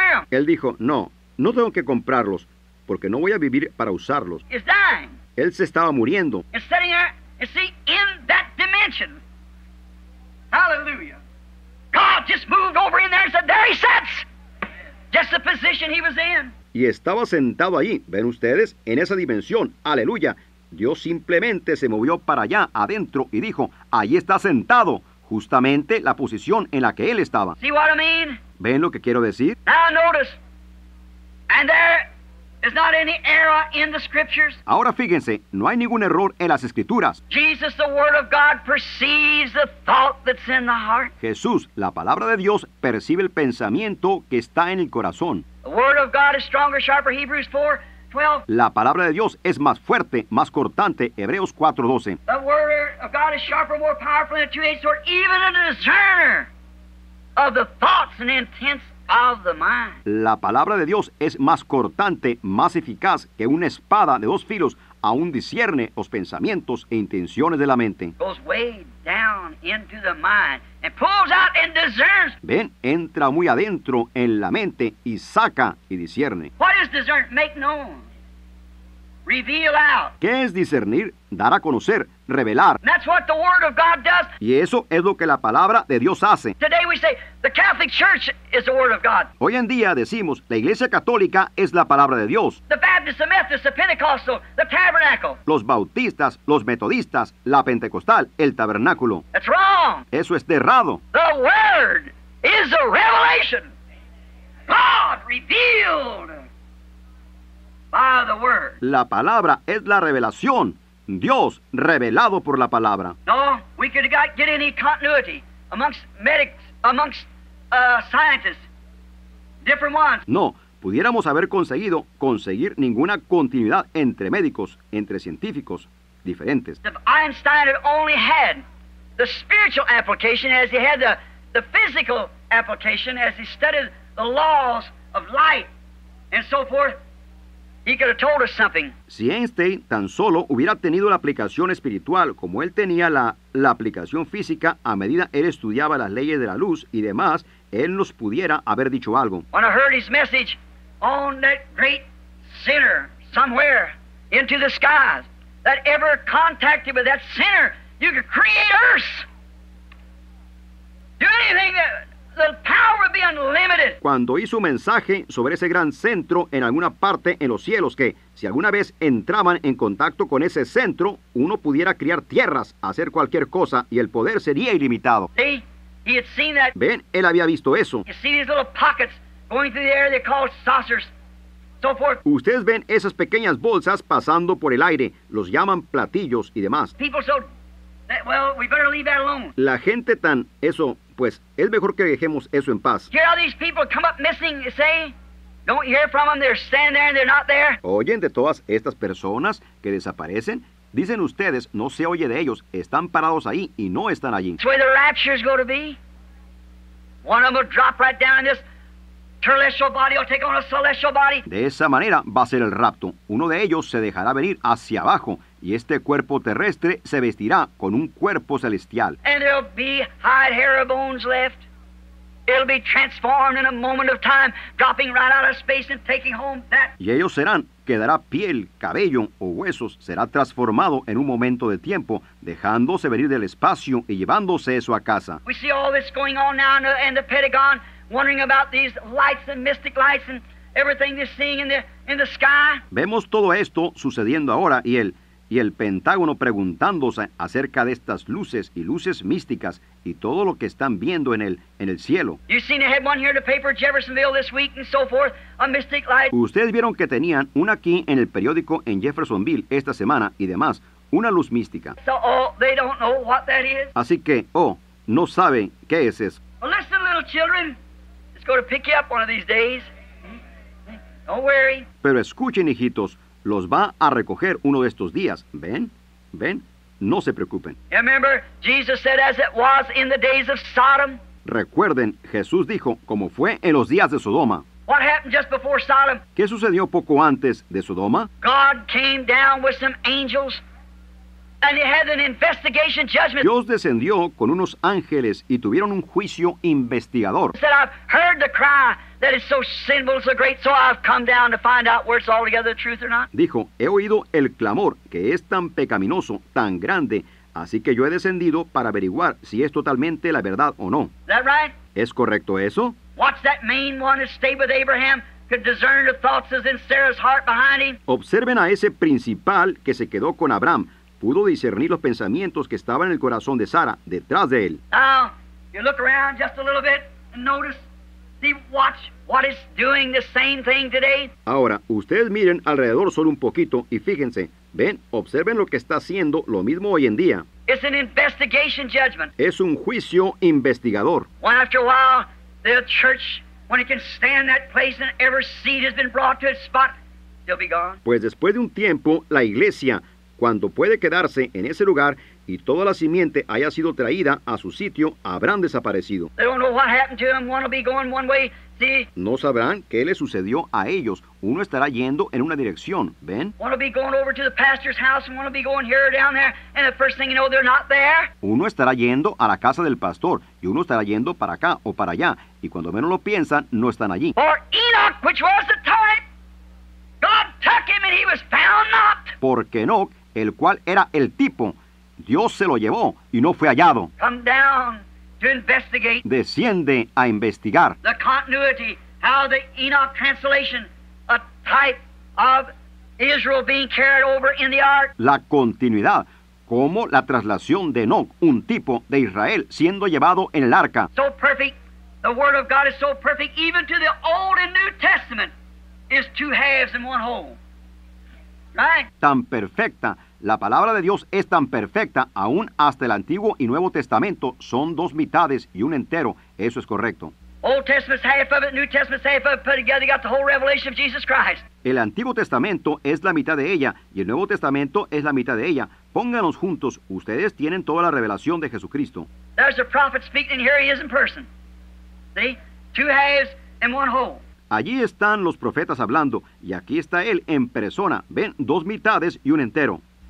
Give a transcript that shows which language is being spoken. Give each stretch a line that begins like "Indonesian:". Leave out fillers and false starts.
Spanish: Él dijo, no, no tengo que comprarlos, porque no voy a vivir para usarlos.
English: He's dying.
Spanish: Él se estaba muriendo.
English: And sitting there, you see, in that dimension. Hallelujah. God just moved over in there and said, there he sits. Just the position he was in.
Spanish: Y estaba sentado allí, ven ustedes, en esa dimensión. Aleluya. Dios simplemente se movió para allá, adentro, y dijo, allí está sentado. Justamente la posición en la que él estaba.
English: See what I mean?
Spanish: ¿Ven lo que quiero decir?
English: Now notice. And there... There's not any error in the scriptures.
Spanish: Ahora fíjense, no hay ningún error en las escrituras.
English: Jesus, the word of God, perceives the thought that's in the heart.
Spanish: Jesús, la palabra de Dios, percibe el pensamiento que está en el corazón.
English: The word of God is stronger, sharper, Hebrews 4:12.
Spanish: La palabra de Dios es más fuerte, más cortante, Hebreos 4:12.
English: The word of God is sharper, more powerful than a two-edged sword, even a discerner of the thoughts and intents.
Spanish: La palabra de Dios es más cortante, más eficaz que una espada de dos filos, aún discierne los pensamientos e intenciones de la mente.
English: Goes way down into the mind and pulls out and discerns.
Spanish: Ven, entra muy adentro en la mente y saca y discierne.
English: What is discern? Make known. Reveal out.
Spanish: ¿Qué es discernir? Dar a conocer, revelar.
English: And that's what the word of God does.
Spanish: Y eso es lo que la palabra de Dios hace.
English: Today we say the Catholic Church is the word of God.
Spanish: Hoy en día decimos la Iglesia Católica es la palabra de Dios.
English: The Baptist, the Methodist, the Pentecostal, the Tabernacle.
Spanish: Los bautistas, los metodistas, la pentecostal, el tabernáculo.
English: That's wrong.
Spanish: Eso es errado.
English: The word is a revelation. God revealed by the word.
Spanish: La palabra es la revelación. Dios revelado por la palabra.
English: No, we could get any continuity amongst medics, amongst scientists, different ones.
Spanish: No, pudiéramos haber conseguir ninguna continuidad entre médicos, entre científicos diferentes.
English: If Einstein had only had the spiritual application as he had the physical application as he studied the laws of light and so forth, he could have told us something.
Spanish: Si Einstein tan solo hubiera tenido la aplicación espiritual como él tenía la aplicación física a medida él estudiaba las leyes de la luz y demás, él nos pudiera haber dicho algo.
English: When I heard his message on that great sinner somewhere into the skies that ever contacted with that sinner, you could create Earth. Do anything that... The power would be unlimited.
Spanish: Cuando hizo un mensaje sobre ese gran centro en alguna parte en los cielos que, si alguna vez entraban en contacto con ese centro, uno pudiera crear tierras, hacer cualquier cosa, y el poder sería ilimitado.
English: See? He had seen that.
Spanish: ¿Ven? Él había visto eso.
English: You see these little pockets going through the air, they're called saucers, so forth.
Spanish: Ustedes ven esas pequeñas bolsas pasando por el aire, los llaman platillos y demás.
English: People so... Well, we better leave that alone.
Spanish: La gente tan... Eso... Pues, es mejor que dejemos eso en paz.
English: Hear all these people come up missing, say? Don't hear from them, they're standing there and they're not there.
Spanish: ¿Oyen de todas estas personas que desaparecen? Dicen ustedes, no se oye de ellos, están parados ahí y no están allí.
English: That's where the rapture is going to be. One of them will drop right down in this terrestrial body, will take on a celestial body.
Spanish: De esa manera va a ser el rapto. Uno de ellos se dejará venir hacia abajo. Y este cuerpo terrestre se vestirá con un cuerpo celestial.
English: And there'll be hide hair of bones left. It'll be transformed in a moment of time, dropping right out of space and taking home that.
Spanish: Y ellos serán, quedará piel, cabello o huesos, será transformado en un momento de tiempo, dejándose venir del espacio y llevándose eso a casa.
English: We see all this going on now in the Pentagon, wondering about these lights and mystic lights and everything they're seeing in the sky.
Spanish: Vemos todo esto sucediendo ahora y el Pentágono preguntándose acerca de estas luces y luces místicas y todo lo que están viendo en el cielo.
English: You've seen a head one here in the paper, Jeffersonville this week and so forth, a mystic light.
Spanish: Ustedes vieron que tenían una aquí en el periódico en Jeffersonville esta semana y demás, una luz mística.
English: So, they don't know what that is.
Spanish: Así que, no saben qué es eso.
English: Well, listen, little children. It's going to pick you up one of these days. Don't worry.
Spanish: Pero escuchen, hijitos. Los va a recoger uno de estos días. Ven, no se preocupen.
English: Remember, Jesus said, as it was in the days of Sodom.
Spanish: Recuerden, Jesús dijo, como fue en los días de Sodoma.
English: What happened just before Sodom?
Spanish: ¿Qué sucedió poco antes de Sodoma?
English: God came down with some angels, and he had an investigation judgment.
Spanish: Dios descendió con unos ángeles y tuvieron un juicio investigador.
English: He said, I've heard the cry. That is so sinful, so great, so I've come down to find out where it's altogether the truth or not.
Spanish: Dijo, he oído el clamor que es tan pecaminoso, tan grande, así que yo he descendido para averiguar si es totalmente la verdad o no.
English: Is that right?
Spanish: ¿Es correcto eso?
English: Watch that main one who stayed with Abraham, could discern the thoughts that's in Sarah's heart behind him.
Spanish: Observen a ese principal que se quedó con Abraham. Pudo discernir los pensamientos que estaban en el corazón de Sara detrás de él.
English: Now, you look around just a little bit and notice. See, watch what is doing the same thing today.
Spanish: Ahora, ustedes miren alrededor solo un poquito y fíjense. Ven, observen lo que está haciendo lo mismo hoy en día.
English: It's an investigation judgment.
Spanish: Es un juicio investigador.
English: One after a while, the church, when it can stand that place and every seed has been brought to its spot, they'll be gone.
Spanish: Pues después de un tiempo, la iglesia, cuando puede quedarse en ese lugar y toda la simiente haya sido traída a su sitio, habrán desaparecido.
English: They don't know what happened to them. One will be going one way. See?
Spanish: No sabrán qué le sucedió a ellos. Uno estará yendo en una dirección. ¿Ven?
English: One will be going over to the pastor's house and one will be going here or down there. And the first thing you know, they're not there.
Spanish: Uno estará yendo a la casa del pastor y uno estará yendo para acá o para allá. Y cuando menos lo piensan, no están allí.
English: Or Enoch, which was the type. God took him and he was found not.
Spanish: Porque Enoch, el cual era el tipo, Dios se lo llevó y no fue hallado.
English: Come down to investigate.
Spanish: Desciende a investigar.
English: The continuity, how the Enoch translation, a type of Israel being carried over in the ark.
Spanish: La continuidad, como la traslación de Enoch, un tipo de Israel, siendo llevado en el arca.
English: So perfect, the word of God is so perfect, even to the Old and New Testament, is two halves and one whole. Right?
Spanish: Tan perfecta, la palabra de Dios es tan perfecta, aún hasta el Antiguo y Nuevo Testamento, son dos mitades y un entero, eso es correcto.
English: Old Testament's half of it, New Testament's half of it, put together, you got the whole revelation of Jesus Christ.
Spanish: El Antiguo Testamento es la mitad de ella, y el Nuevo Testamento es la mitad de ella. Pónganos juntos, ustedes tienen toda la revelación de Jesucristo.
English: There's a prophet speaking, and here he is in person. See? Two halves and one whole.
Spanish: Allí están los profetas hablando, y aquí está él en persona. Ven, dos mitades y un entero.